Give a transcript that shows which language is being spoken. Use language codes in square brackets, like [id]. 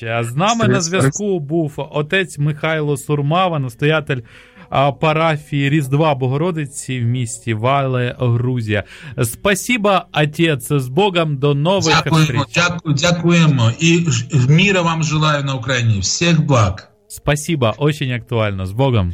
[uk] З нами на зв'язку був отець Михайло Сурмава, настоятель парафії Різдва Богородиці в місті Вале, Грузія. [ru] Спасибо, отец, с Богом, до новых встреч. [uk] Дякуємо. І [ru] мира вам желаю [uk] на Україні. Всіх благ. [ru] Спасибо, очень актуально. С Богом.